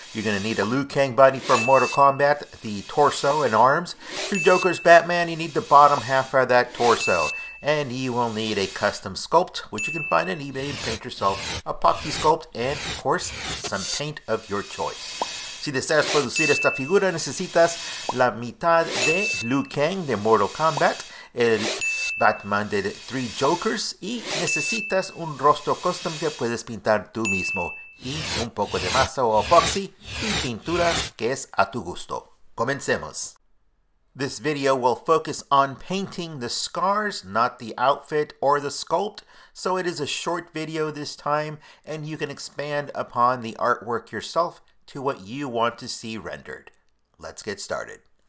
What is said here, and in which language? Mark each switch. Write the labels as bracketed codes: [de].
[en] You're going to need a Liu Kang body from Mortal Kombat, the torso and arms. If you're Joker's Batman, you need the bottom half of that torso. And you will need a custom sculpt, which you can find on eBay and paint yourself, epoxy sculpt, and of course, some paint of your choice. [es] Si deseas producir esta figura, necesitas la mitad de Liu Kang de Mortal Kombat, el Batman de 3 Jokers, y necesitas un rostro custom que puedes pintar tú mismo, y un poco de masa o epoxy, y pintura que es a tu gusto. Comencemos. [en] This video will focus on painting the scars, not the outfit or the sculpt, so it is a short video this time, and you can expand upon the artwork yourself to what you want to see rendered. Let's get started.